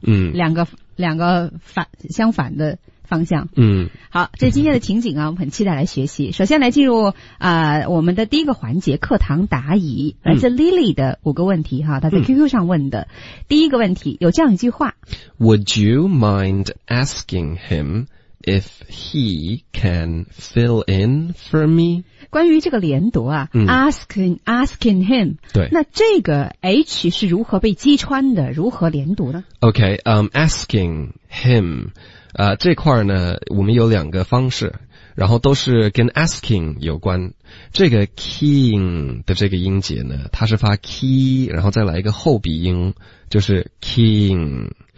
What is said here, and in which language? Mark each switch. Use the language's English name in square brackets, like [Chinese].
[Chinese] 嗯。两个相反的方向。嗯。好，这今天的情景啊，我很期待来学习。首先来进入我们的第一个环节，课堂答疑，来自 Lily 的五个问题哈，他在 QQ 上问的。第一个问题有这样一句话。 [English] Would you mind asking him if he can fill in for me？ [Chinese] 关于这个连读啊、 [English] asking him， [Chinese] 对，那这个 H 是如何被击穿的，如何连读呢？ OK， [English] asking him， [Chinese] 这块呢我们有两个方式，然后都是跟 asking 有关。这个 king 的这个音节呢，它是发 key， 然后再来一个后鼻音，就是 king。